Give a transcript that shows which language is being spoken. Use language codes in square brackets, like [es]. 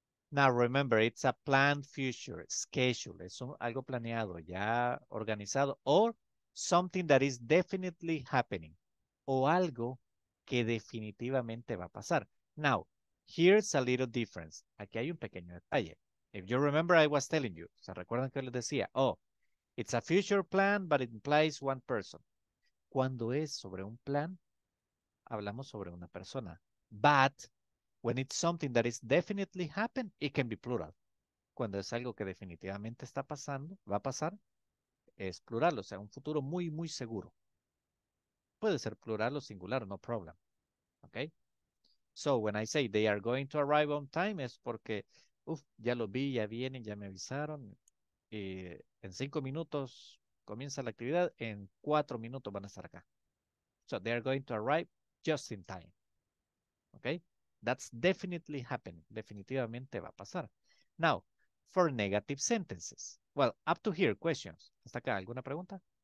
[en] Now, remember, it's a planned future, schedule. [es] Es algo planeado, ya organizado, [en] or something that is definitely happening, [es] o algo que definitivamente va a pasar. [en] Now, here's a little difference. [es] Aquí hay un pequeño detalle. [en] If you remember, I was telling you. [es] ¿Se recuerdan que les decía? [en] Oh, it's a future plan, but it implies one person. [es] Cuando es sobre un plan, hablamos sobre una persona. [en] But when it's something that is definitely happened, it can be plural. [es] Cuando es algo que definitivamente está pasando, va a pasar, es plural. O sea, un futuro muy, muy seguro. Puede ser plural o singular, [en] no problem. Okay? So, when I say they are going to arrive on time, [es] es porque, uf, ya lo vi, ya vienen, ya me avisaron. Y en 5 minutos comienza la actividad, en 4 minutos van a estar acá. [en] So, they are going to arrive just in time. Okay? That's definitely happening. [es] Definitivamente va a pasar. [en] Now, for negative sentences. Well, up to here, questions. [es] ¿Hasta acá alguna pregunta?